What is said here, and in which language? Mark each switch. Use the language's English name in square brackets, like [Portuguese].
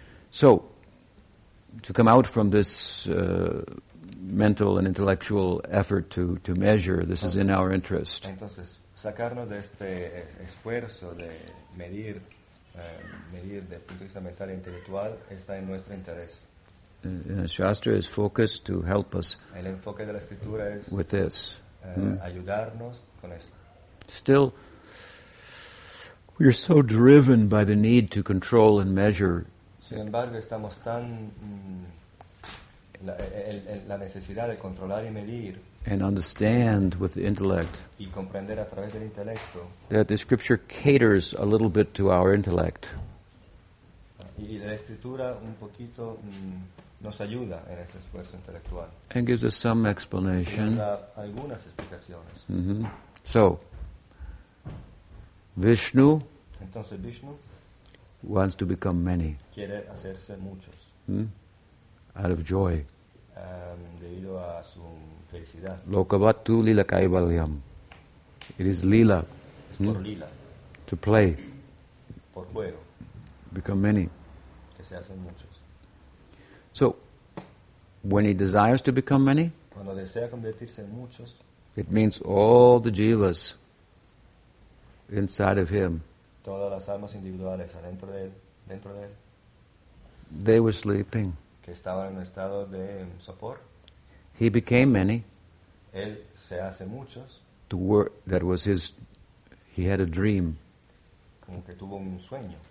[English] So, to come out from this mental and intellectual effort to measure, this is in our interest. [Spanish] Entonces, sacarnos de este esfuerzo de medir, medir de punto de vista mental e intelectual, está en nuestro interés. [English] Shastra is focused to help us [Spanish] el enfoque de la escritura es [English] with this. [Spanish] Ayudarnos con esto. [English] Still, we are so driven by the need to control and measure. [Spanish] Sin embargo, estamos tan la necesidad de controlar y medir [English] and understand with the intellect [Spanish] y comprender a través del intelecto [English] that the scripture caters a little bit to our intellect. [Spanish] Y la escritura un poquito nos ayuda en este esfuerzo intelectual [English] and gives us some explanation. [Spanish] Y da algunas explicaciones. [English] Mm-hmm. So, Vishnu, [Spanish] entonces, Vishnu [English] wants to become many. [Spanish] Quiere hacerse muchos. [English] Hmm? Out of joy. [Spanish] Debido a su felicidad. [Sanskrit] Lokavattu lila kaivalyam. [English] It is lila. [Spanish] Es por lila. [English] To play. [Spanish] Por juego. [English] Become many. [Spanish] Que se hacen muchos. [English] So, when he desires to become many, [Spanish] cuando desea convertirse en muchos, [English] it means all the jivas inside of him. [Spanish] Todas las almas individuales adentro de él, dentro de él. [English] They were sleeping. [Spanish] Que estaban en un estado de sopor. [English] He became many. [Spanish] Él se hace muchos. [English] That was his. He had a dream. [Spanish] Como que tuvo un sueño.